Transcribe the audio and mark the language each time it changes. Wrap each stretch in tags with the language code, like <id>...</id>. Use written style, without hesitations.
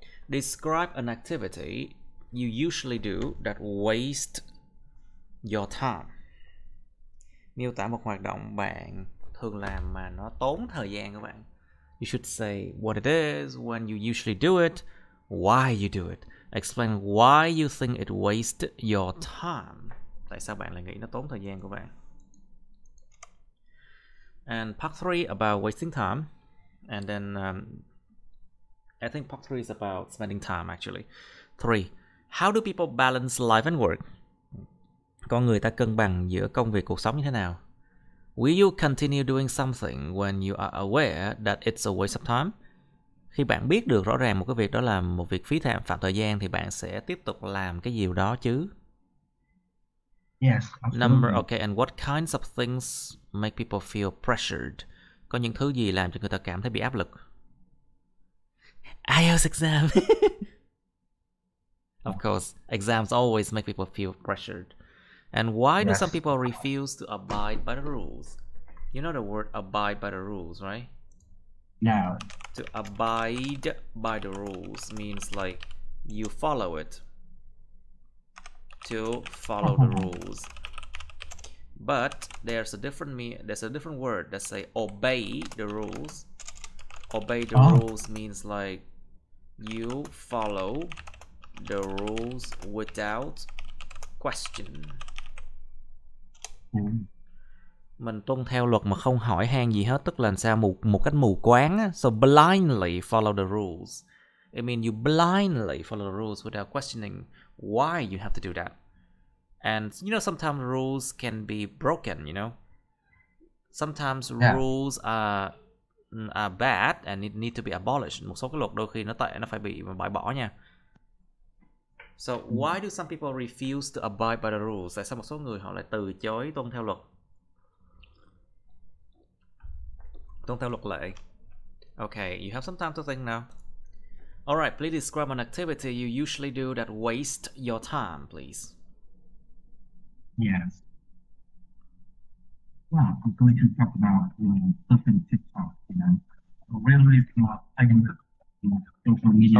<en>Describe an activity you usually do that waste your time.</en> <vi>Miêu tả một hoạt động bạn thường làm mà nó tốn thời gian của bạn.</vi> <en>You should say what it is, when you usually do it, why you do it. Explain why you think it wastes your time.</en> <vi>Tại sao bạn lại nghĩ nó tốn thời gian của bạn?</vi> <en>And part three about wasting time. And then I think part three is about spending time actually. Three, how do people balance life and work?</en> <vi>Con người ta cân bằng giữa công việc cuộc sống như thế nào?</vi> <en>Will you continue doing something when you are aware that it's a waste of time?</en> <vi>Khi bạn biết được rõ ràng một cái việc đó là một việc phí thảm phạm thời gian thì bạn sẽ tiếp tục làm cái gì đó chứ?</vi> <en>Yes, Number, absolutely. okay, and what kinds of things make people feel pressured?</en> <vi>Có những thứ gì làm cho người ta cảm thấy bị áp lực?</vi> <en>IELTS exam. Of course, exams always make people feel pressured. And why do some Yes. people refuse to abide by the rules? You know the word abide by the rules, right? No. To abide by the rules means like you follow it. To follow the rules. But there's a different word that say obey the rules. Obey the Oh. rules means like you follow the rules without question.</en> <vi>Mình tuân theo luật mà không hỏi han gì hết, tức là sao một cách mù quáng á.</vi> <en>So blindly follow the rules. It means you blindly follow the rules without questioning why you have to do that. And you know, sometimes rules can be broken, you know. Sometimes Yeah. rules are bad and it need to be abolished.</en> <vi>Một số cái luật đôi khi nó tệ, nó phải bị bãi bỏ nha.</vi> <en>So why do some people refuse to abide by the rules?</en> <vi>Tại sao một số người họ lại từ chối tuân theo luật? Tuân theo luật lệ.</vi> <en>Okay, you have some time to think now. All right, please describe an activity you usually do that wastes your time, please. Yes. Well, I'm going to talk about surfing TikTok, really from social media</en>